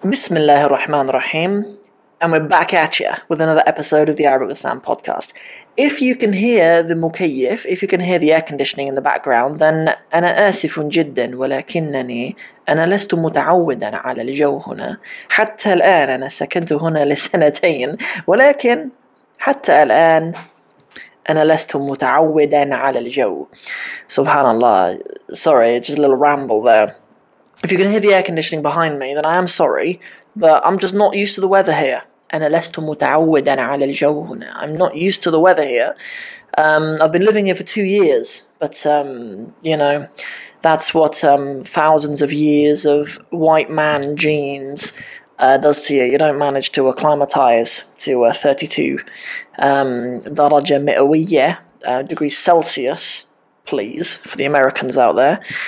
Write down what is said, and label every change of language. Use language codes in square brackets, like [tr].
[en] Bismillah ar-Rahman ar-Rahim, and we're back at you with another episode of the Arabic with Sam podcast. If you can hear the mukayyif, if you can hear the air conditioning in the background, then [ar] أنا آسف جدا ولكنني أنا لست متعودا على الجو هنا. حتى الآن أنا سكنت هنا لسنتين ولكن حتى الآن أنا لست متعودا على الجو. سبحان الله. [en] Sorry, just a little ramble there. If you can hear the air conditioning behind me, then I am sorry, but I'm just not used to the weather here. [ar] أنا لست متعودا على الجو هنا. [en] I'm not used to the weather here. I've been living here for 2 years, but, you know, that's what thousands of years of white man genes does to you. You don't manage to acclimatize to 32 [ar] درجة مئوية, [en] degrees Celsius, please, for the Americans out there.